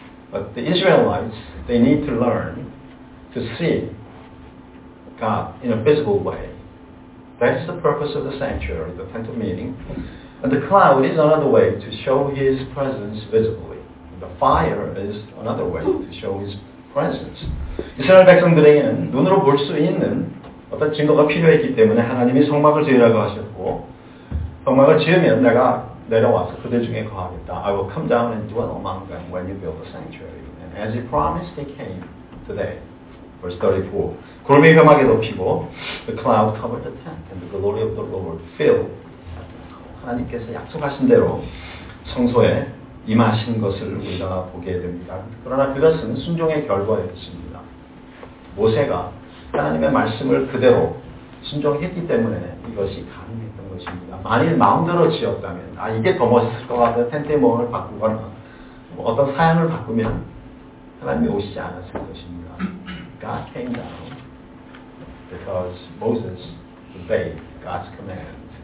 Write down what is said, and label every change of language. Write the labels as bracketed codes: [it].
[en] But the Israelites, they need to learn to see God in a visible way. That's the purpose of the sanctuary, the tent of meeting. And the cloud is another way to show His presence visibly. The fire is another way to show His presence. [ko] 이스라엘 백성들에게는 눈으로 볼 수 있는 어떤 증거가 필요했기 때문에 하나님이 성막을 지으라고 하셨고 성막을 지으면 내가 내려와서 그들 중에 거하겠다. [en] I will come down and dwell among them when you build a sanctuary. And as He promised, they came today. Verse 34. [ko] 구름이 험하게 덮이고 [en] the cloud covered the tent and the glory of the Lord filled. [ko] 하나님께서 약속하신 대로 성소에 임하신 것을 우리가 보게 됩니다. 그러나 그것은 순종의 결과였습니다. 모세가 하나님의 말씀을 그대로 순종했기 때문에 이것이 가능했던 것입니다. 만일 마음대로 지었다면 아 이게 더 멋있을 것 같아 텐트의 모양을 바꾸거나 뭐 어떤 사양을 바꾸면 하나님이 오시지 않았을 것입니다. [en] God came down because Moses obeyed God's command.